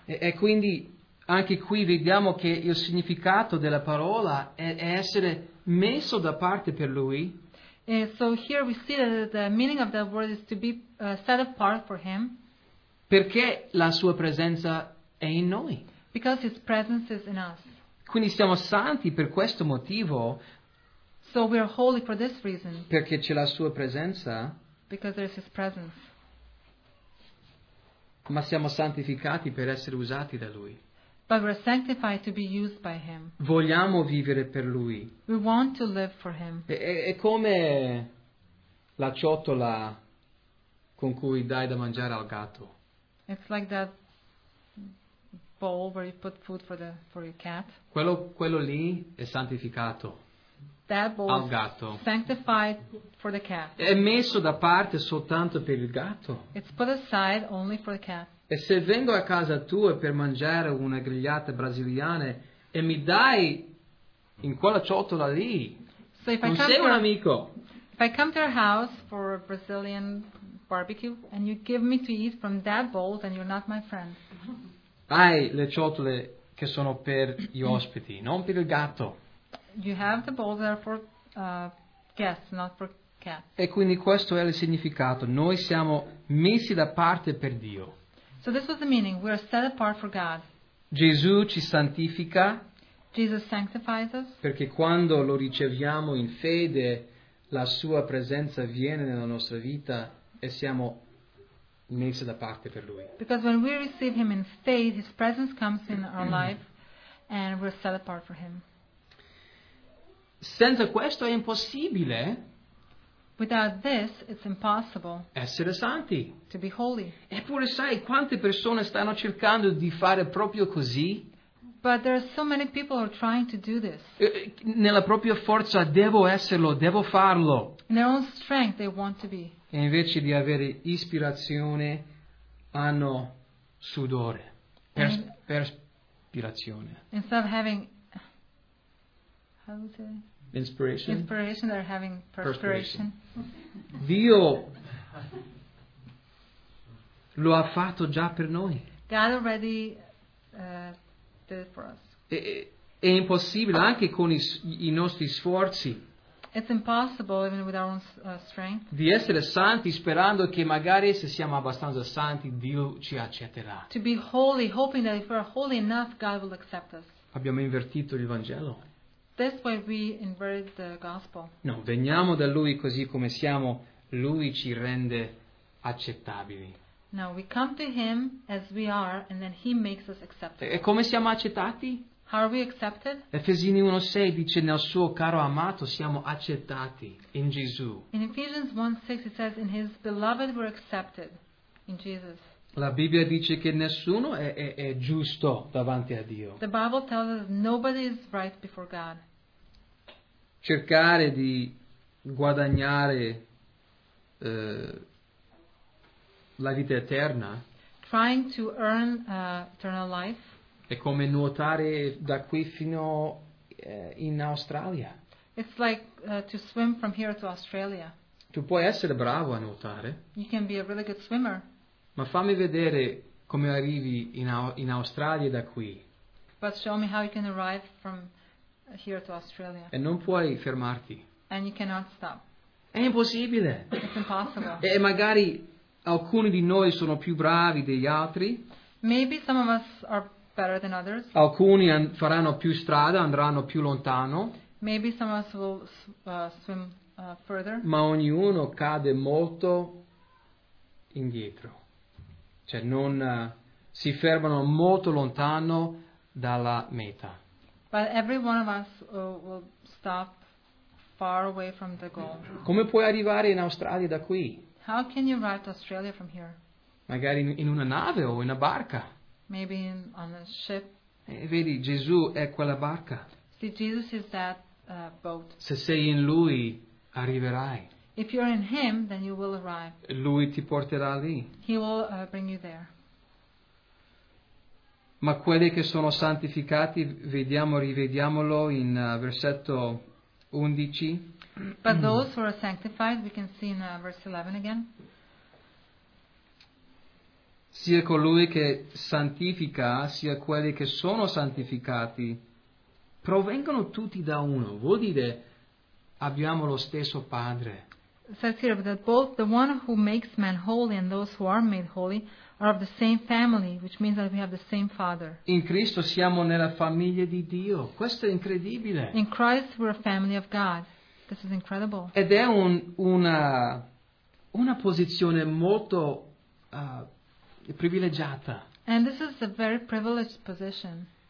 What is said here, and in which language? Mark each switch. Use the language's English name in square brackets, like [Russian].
[Italian] E quindi anche qui vediamo che il significato della parola è essere messo da parte per Lui. [English] So here we see that the meaning of that word is to be set apart for him. [Italian] Perché la sua presenza è in noi. [English] Because his presence is in us. [Italian] Quindi siamo santi per questo motivo. [English] So we are holy for this reason. [Italian] Perché c'è la sua presenza. [English] Because there is his presence. [Italian] Ma siamo santificati per essere usati da Lui. [English] But we are sanctified to be used by Him. [Italian] Vogliamo vivere per Lui. [English] We want to live for Him. [Italian] È come la ciotola con cui dai da mangiare al gatto. [English] It's like that bowl where you put food for your cat. [Italian] Quello lì è santificato. [English] That bowl [Italian] al gatto. [English] Sanctified for the cat. [Italian] È messo da parte soltanto per il gatto. [English] It's put aside only for the cat. [Italian] E se vengo a casa tua per mangiare una grigliata brasiliana e mi dai in quella ciotola lì, [English] so if [Italian] non [English] I [Italian] sei un amico. [English] If I come to your house for a Brazilian barbecue and you give me to eat from that bowl, then you're not my friend. [Italian] Hai le ciotole che sono per gli ospiti, non per il gatto. [English] You have the bowls that are for guests, not for cats. [Italian] E quindi questo è il significato. Noi siamo messi da parte per Dio. [English] So this was the meaning. We are set apart for God. [Italian] Gesù ci santifica. [English] Jesus sanctifies us. [Italian] Perché quando lo riceviamo in fede, la sua presenza viene nella nostra vita e siamo messi da parte per Lui. [English] Because when we receive Him in faith, His presence comes in our life and we're set apart for Him. [Italian] Senza questo è impossibile. [English] Without this, it's impossible. [Italian] Essere santi. [English] To be holy. [Italian] Eppure sai quante persone stanno cercando di fare proprio così? [English] But there are so many people who are trying to do this. [Italian] Nella propria forza devo esserlo, devo farlo. [English] In their own strength they want to be. [Italian] E invece di avere ispirazione hanno sudore. Perspirazione. [English] Instead of having Inspiration, they're having perspiration. [Italian] Dio lo ha fatto già per noi. [English] God already did for us. [Italian] È impossibile anche con i nostri sforzi. [English] It's impossible even with our own strength. [Italian] Di essere santi sperando che magari se siamo abbastanza santi Dio ci accetterà. [English] To be holy, hoping that if we're holy enough, God will accept us. [Italian] Abbiamo invertito il Vangelo. [English] This way we inverted the gospel. [Italian] No, veniamo da Lui così come siamo. Lui ci rende accettabili. [English] No, we come to Him as we are, and then He makes us acceptable. [Italian] E come siamo accettati? [English] How are we accepted? [Italian] Efesini 1:6 dice nel suo caro amato siamo accettati in Gesù. [English] In Ephesians 1:6 it says in His beloved we're accepted in Jesus. [Italian] La Bibbia dice che nessuno è giusto davanti a Dio. [English] The Bible tells us nobody is right before God. [Italian] Cercare di guadagnare la vita eterna. [English] Trying to earn eternal life. [Italian] È come nuotare da qui fino in Australia. [English] It's like to swim from here to Australia. [Italian] Tu puoi essere bravo a nuotare. [English] You can be a really good swimmer. [Italian] Ma fammi vedere come arrivi in Australia da qui. [English] But show me how you can arrive from here to Australia. [Italian] E non puoi fermarti. [English] And you cannot stop. [Italian] È impossibile. [English] It's impossible. [Italian] E magari alcuni di noi sono più bravi degli altri. [English] Maybe some of us are better than others. [Italian] Alcuni faranno più strada, andranno più lontano. [English] Maybe some of us will swim further. [Italian] Ma ognuno cade molto indietro. Cioè non si fermano molto lontano dalla meta. [English] But every one of us will stop far away from the goal. [Italian] Come puoi arrivare in Australia da qui? [English] How can you arrive to Australia from here? [Italian] Magari in una nave o in una barca. [English] Maybe on a ship. [Italian] E vedi, Gesù è quella barca. [English] See, Jesus is that boat. [Italian] Se sei in Lui, arriverai. [English] If you're in Him, then you will arrive. [Italian] Lui ti porterà lì. [English] He will bring you there. [Italian] Ma quelli che sono santificati, vediamo, rivediamolo in versetto 11. [English] But those who are sanctified, we can see in verse 11 again. [Italian] Sia colui che santifica, sia quelli che sono santificati, provengono tutti da uno. Vuol dire, abbiamo lo stesso Padre. [English] It says here that both the one who makes man holy and those who are made holy are of the same family, which means that we have the same Father. [Italian] In Cristo siamo nella famiglia di Dio. Questo è incredibile. [English] In Christ we're a family of God. This is incredible. [Italian] Ed è una posizione molto privilegiata. [English] And this is a very privileged position.